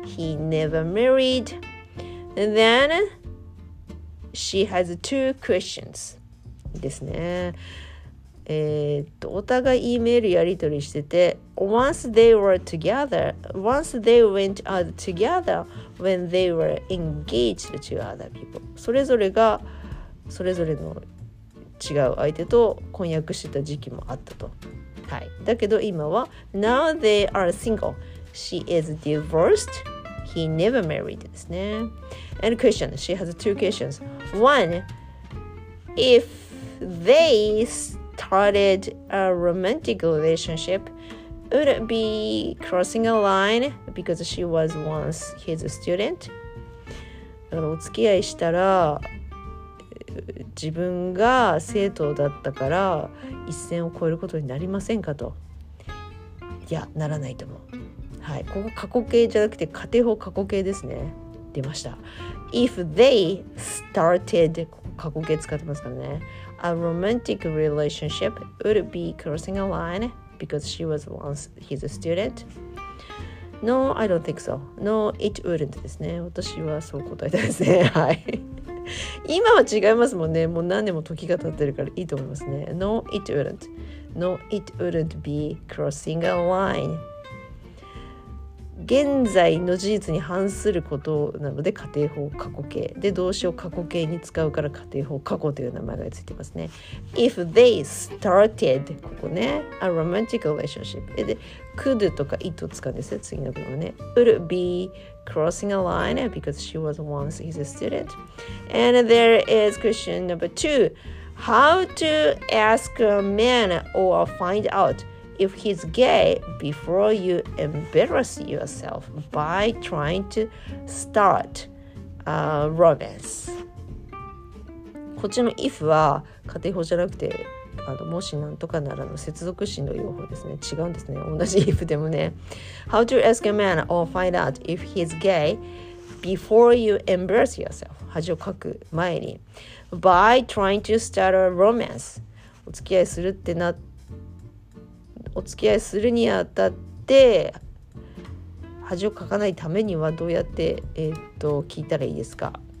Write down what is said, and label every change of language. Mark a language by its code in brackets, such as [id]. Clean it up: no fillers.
[en] He never married. Then she has two questions. [ja] ですね。お互いメールやり取りしてて、 [en] Once they were together, once they went out together when they were engaged to other people. [ja] それぞれがそれぞれの違う相手と婚約してた時期もあったと。はい。だけど今は [en] Now they are single. She is divorced. He never married [ja] ですね。 [en] And question. She has two questions. One, if they started a romantic relationship, would it be crossing a line because she was once his student? [ja] だからお付き合いしたら自分が生徒だったから一線を越えることになりませんかと。いや、ならないと思う。はい、ここ過去形じゃなくて仮定法過去形ですね。出ました。 [en] If they started、 [ja] 過去形使ってますからね、 [en] A romantic relationship would be crossing a line because she was once his student? No, I don't think so. No, it wouldn't [ja] ですね。私はそう答えたですね。はい。今は違いますもんね。もう何年も時が経ってるからいいと思いますね。 [en] No, it wouldn't. No, it wouldn't be crossing a line. [ja] 現在の事実に反することなので仮定法過去形で、動詞を過去形に使うから仮定法過去という名前がついてますね。 If they started ここね、 [en] a romantic relationship [ja] で could とか it を使うんですね。次の部分はね、 [en] would be crossing a line because she was once his student. And there is question number two, how to ask a man or find outIf he's gay before you embarrass yourself by trying to start a romance. [ja] こっちの if は仮定法じゃなくてあのもしなんとかならの接続詞の用法ですね。違うんですね、同じ if でもね。 [en] How to ask a man or find out if he's gay before you embarrass yourself、 [ja] 恥をかく前に、 [en] by trying to start a romance、 [ja] お付き合いするってなお付き合いするにあたって恥をかかないためにはどうやって、聞いたらいいですか。